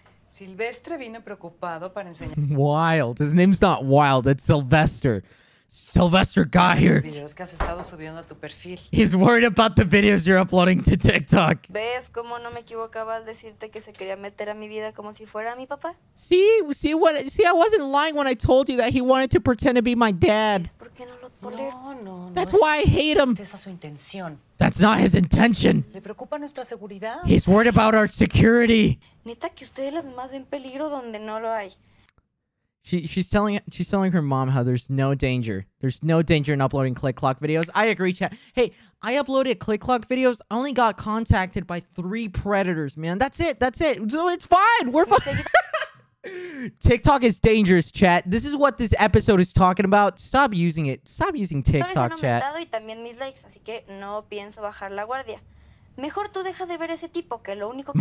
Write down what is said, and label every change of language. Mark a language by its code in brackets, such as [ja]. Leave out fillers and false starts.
[es] Silvestre vino preocupado para enseñar. [en] Wild. His name's not Wild, it's Sylvester. Sylvester got here. [es] Videos que has estado subiendo a tu perfil. [en] He's worried about the videos you're uploading to TikTok. [es] ¿Ves cómo no me equivocaba al decirte que se quería meter a mi vida como si fuera mi papá? [en] See, I wasn't lying when I told you that he wanted to pretend to be my dad. [es] ¿Es porque no lo tolero? No. [en] That's why I hate him. [es] Esa es su intención. [en] That's not his intention. [es] ¿Le preocupa nuestra seguridad? [en] He's worried about our security. [es] Neta que ustedes las más ven peligro donde no lo hay. [en] She's telling her mom how there's no danger. There's no danger in uploading click clock videos. I agree, chat. Hey, I uploaded click clock videos. I only got contacted by 3 predators, man. That's it. It's fine. We're fine. TikTok is dangerous, chat. This is what this episode is talking about. Stop using it. Stop using TikTok, chat. [es] Y también mis likes, así que no pienso bajar la guardia. Mejor tú deja de ver ese tipo, que lo único que...